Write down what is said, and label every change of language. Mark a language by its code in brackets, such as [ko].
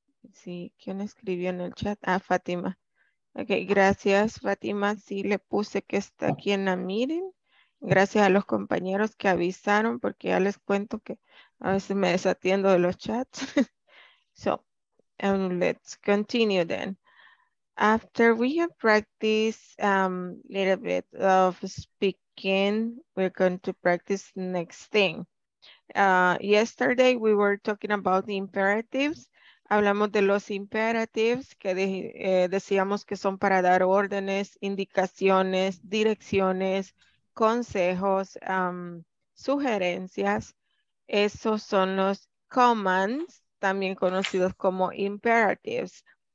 [en] Let's see, [es] ¿quién escribió en el chat? Ah, Fátima. Okay, gracias, Fátima. Sí, le puse que está aquí en la meeting. Gracias a los compañeros que avisaron, porque ya les cuento que a veces me desatiendo de los chats. So, [en] And let's continue then. After we have practiced a little bit of speaking, we're going to practice the next thing. Yesterday we were talking about the imperatives. [es] Hablamos de los imperatives que decíamos que son para dar órdenes, indicaciones, direcciones, consejos, sugerencias. Esos son los commands, también conocidos como imperatives.